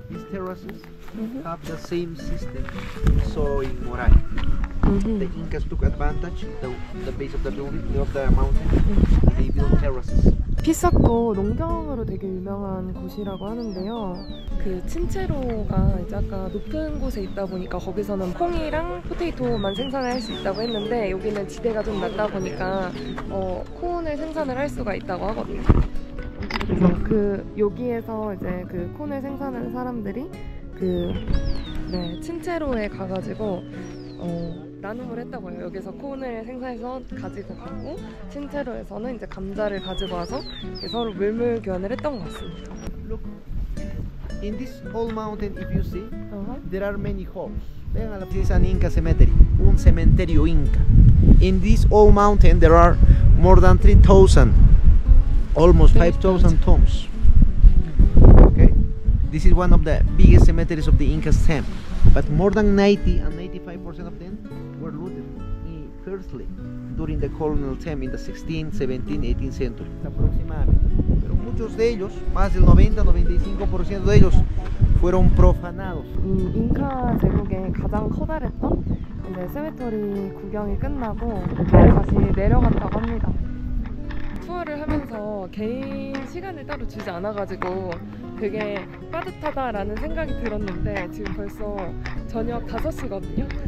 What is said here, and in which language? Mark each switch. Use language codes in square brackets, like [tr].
[en] Terraces have the same system we saw in Moray. The Incas took advantage of the base of the building, of the mountain, and they built terraces. [ko] 피싸코 농경으로 되게 유명한 곳이라고 하는데요. 그 친체로가 이제 아까 높은 곳에 있다 보니까 거기서는 콩이랑 포테이토만 생산을 할 수 있다고 했는데 여기는 지대가 좀 낮다 보니까 콘을 생산을 할 수가 있다고 하거든요. 그 여기에서 이제 그 콘을 생산하는 사람들이 그 네, 친체로에 가가지고 나눔을 했다고 해요. 여기서 콘을 생산해서 가지고 가고 친체로에서는 이제 감자를 가지고 와서 서로 물물 교환을 했던 것 같습니다. [en] Look, in this whole mountain, if you see, there are many holes. This is an Inca cemetery, [es] un cementerio Inca. [en] In this whole mountain, there are more than 3,000. Almost 5,000 tombs. Okay, this is one of the biggest cemeteries of the Incas camp. But more than 90 and 95% of them were looted firstly during the colonial time in the 16th, 17th, 18th century. Approximately. [es] Pero muchos de ellos, más del 90-95% de ellos, fueron profanados. [ko] 잉카 제국의 가장 커다랬던 이제 세메터리 구경이 끝나고 다시 내려갔다고 합니다. 투어를 하면서 개인 시간을 따로 주지 않아가지고 되게 빠듯하다라는 생각이 들었는데 지금 벌써 저녁 5시거든요?